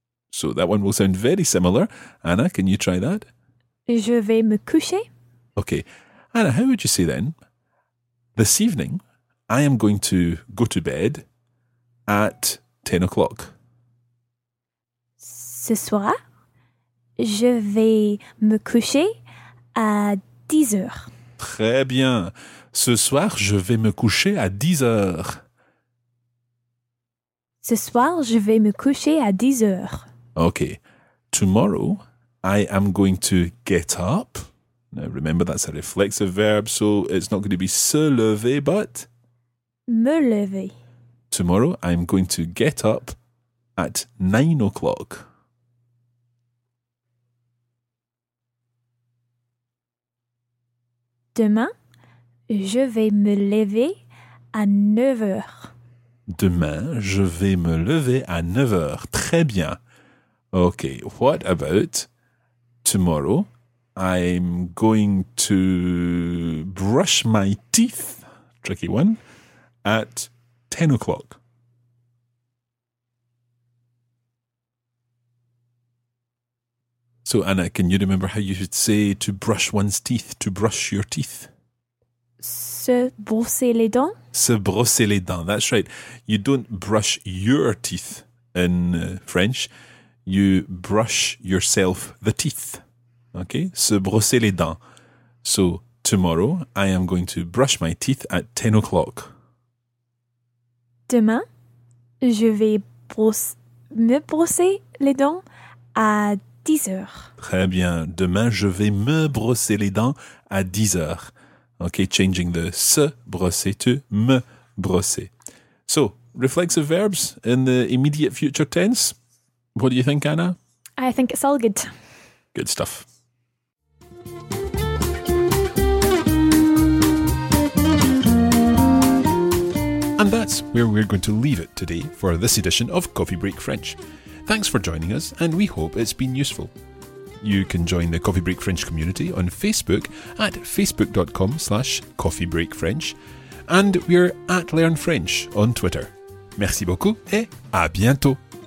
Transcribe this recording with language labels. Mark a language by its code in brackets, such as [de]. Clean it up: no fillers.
[en] So that one will sound very similar. Anna, can you try that? [fr] Je vais me coucher. [en] Okay. Anna, how would you say then? This evening, I am going to go to bed at 10 o'clock. [fr] Ce soir, je vais me coucher à 10 heures. Très bien. Ce soir, je vais me coucher à 10 heures. Ce soir, je vais me coucher à 10 heures. [en] OK. Tomorrow, I am going to get up. Now, remember, that's a reflexive verb, so it's not going to be [fr] se lever, [en] but... [fr] me lever. [en] Tomorrow, I'm going to get up at 9 o'clock. [fr] Demain, je vais me lever à 9 heures. Demain, je vais me lever à 9 heures. Très bien. [en] OK, what about tomorrow? I'm going to brush my teeth, tricky one, at 10 o'clock. So, Anna, can you remember how you should say to brush one's teeth, to brush your teeth? [fr] Se brosser les dents. Se brosser les dents, [en] that's right. You don't brush your teeth in French. You brush yourself the teeth. Okay? [fr] Se brosser les dents. [en] So, tomorrow, I am going to brush my teeth at 10 o'clock. [fr] Demain, je vais me brosser les dents à 10 heures. Très bien. Demain, je vais me brosser les dents à 10 heures. [en] Okay, changing the se brosser to me brosser. So, reflexive verbs in the immediate future tense. What do you think, Anna? I think it's all good. Good stuff. And that's where we're going to leave it today for this edition of Coffee Break French. Thanks for joining us, and we hope it's been useful. You can join the Coffee Break French community on Facebook at facebook.com/coffeebreakfrench, and we're at Learn French on Twitter. [fr] Merci beaucoup et à bientôt.